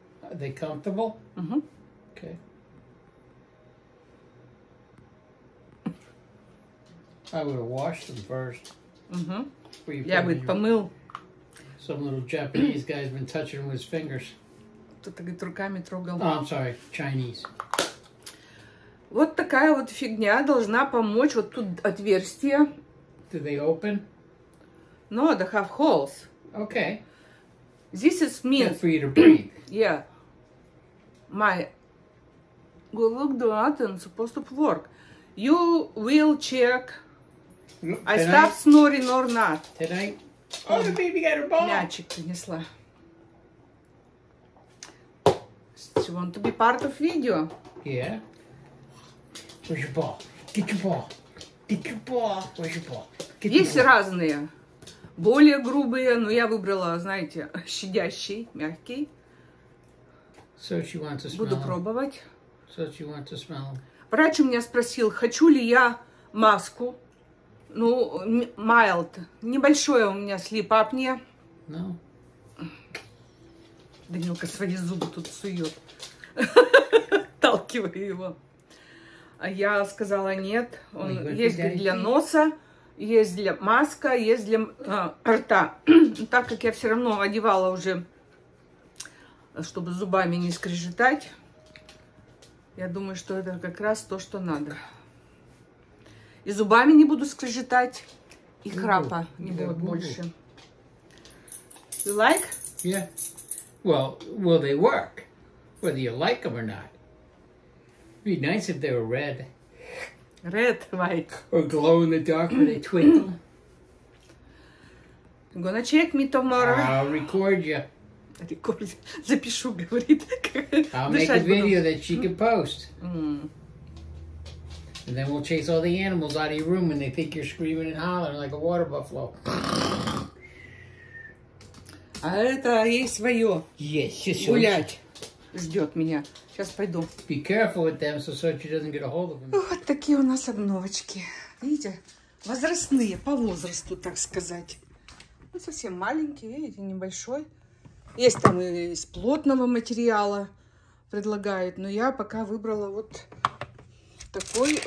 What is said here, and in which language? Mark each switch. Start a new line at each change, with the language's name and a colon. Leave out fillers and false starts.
English: Are they comfortable? Mm-hmm. Okay. I would have washed them first. Mm-hmm. Yeah, with pamil. Some little Japanese guy's been touching them with his fingers.
Russian: Кто-то, говорит, руками трогал.
English: Oh, I'm sorry, Chinese.
Russian: Вот такая вот фигня должна помочь. Вот тут отверстие.
English: Do they open? No, they have holes. Okay. This is me. Good for you to breathe. Yeah. My Google button supposed to work. You will check. Tonight? I stop snoring or not. Tonight? Oh, the baby got her ball.
Russian: Мячик принесла.
English: She want to be part of video. Yeah. Where's your ball? Get your ball. Get your ball. Where's your ball? Get
Russian: Есть
English: ball.
Russian: Разные. Более грубые, но я выбрала, знаете, щадящий, мягкий.
English: So she wants to smell.
Russian: Буду пробовать.
English: So she wants to smell.
Russian: Врач у меня спросил, хочу ли я маску. Ну, mild. Небольшое у меня
English: sleep apnea. No.
Russian: Данилка свои зубы тут сует. Толкиваю его. А я сказала нет. Он есть для носа, есть для маска, есть для рта. Так как я все равно одевала уже, чтобы зубами не скрежетать. Я думаю, что это как раз то, что надо. И зубами не буду скрежетать, и храпа не будет больше.
English: You like? Yeah. Well, will they work? Whether you like them or not. It'd be nice if they were red. Red, Mike. Or glow in the dark when they twinkle. I'm gonna check me tomorrow. I'll record you.
Russian: Record. Запишу, говорит.
English: I'll make a video that she can post. And then we'll chase all the animals out of your room when they think you're screaming and hollering like a water buffalo.
Russian: А это ей свое.
English: Yes, yes,
Russian: гулять. Ждет меня. Сейчас пойду.
English: Be careful with them, so Sochi doesn't get a hold of them.
Russian: Вот такие у нас обновочки. Видите? Возрастные, по возрасту, так сказать. Ну, совсем маленькие, видите, небольшой. Есть там и из плотного материала предлагают. Но я пока выбрала вот такой.